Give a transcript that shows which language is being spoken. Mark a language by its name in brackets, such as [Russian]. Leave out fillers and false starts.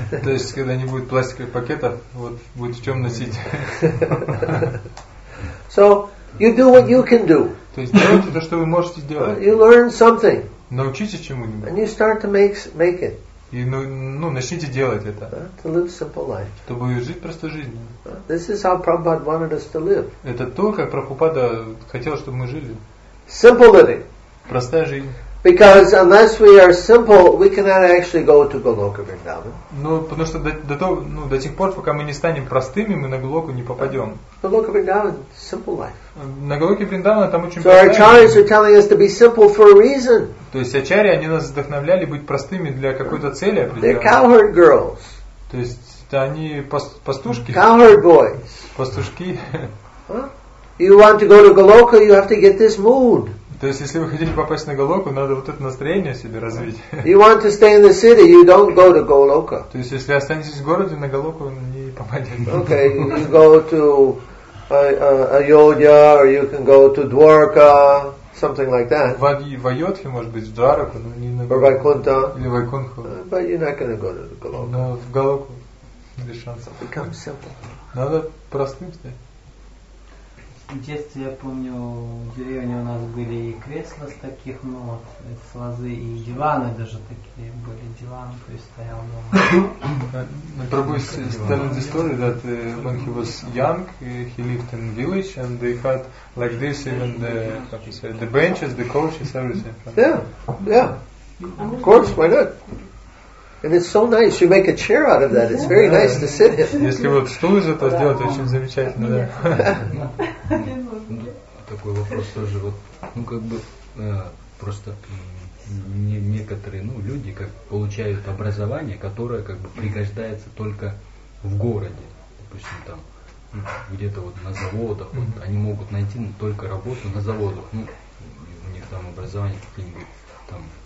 [Russian] То есть когда не будет пластиковых пакетов, вот будет в чем носить. [English] So you do what you can do. [Russian] То есть делайте то, что вы можете сделать. [English] You learn something. [Russian] Научитесь чему-нибудь. [English] And you start to make it. [Russian] И начните делать это. [English] To live simple life. [Russian] Чтобы жить простой жизнью. [English] This is how Prabhupada wanted us to live. [Russian] Это то, как Прабхупада хотел, чтобы мы жили. [English] Simple living. [Russian] Простая жизнь. [English] Because unless we are simple, we cannot actually go to Goloka Vrindavan. [Russian] Ну, потому что до тех пор, пока мы не станем простыми, мы на Голоку не попадем. [English] Goloka Vrindavan, simple life. [Russian] На Голоке Вриндавана там очень простая. [English] So acharyas are telling us to be simple for a reason. [Russian] То есть ачарьи, они нас вдохновляли быть простыми для какой-то цели определенной. [English] They're cowherd girls. [Russian] То есть они пастушки. [English] Cowherd boys. [Russian] Пастушки. [English] You want to go to Goloka, you have to get this mood. [Russian] То есть, если вы хотите попасть на Голоку, надо вот это настроение себе развить. [English] You want to stay in the city, you don't go to Goloka. [Russian] То есть, если останетесь в городе, на Голоку не попадете. [English] Okay, you go to Ayodhya, or you can go to Dwarka, something like that. [Russian] В Айодхе, может быть, в Дварку, но не на [English] Голоку. Or Вайкунта. [Russian] Или Вайкунху. [English] But you're not going to go to Goloka. [Russian] Но в Голоку без шансов. [English] Become simple. [Russian] Надо простым стать. В детстве я помню, в деревне у нас были и кресла с таких, ну вот, с лозы, и диваны даже такие были, диван, то есть стоял дома. [English] Пробуй telling the story that when he was young, he lived in village and they had like this even the, how to say, the benches, the couches, everything. Yeah, of course, why not? And it's so nice. You make a chair out of that. It's very nice to sit in. [Russian] Если вот стул из этого сделать, очень замечательно, да. Такой вопрос тоже вот, ну как бы просто некоторые, ну люди как получают образование, которое как бы пригождается только в городе, допустим там где-то вот на заводах, вот они могут найти только работу на заводах, ну у них там образование какие-нибудь там.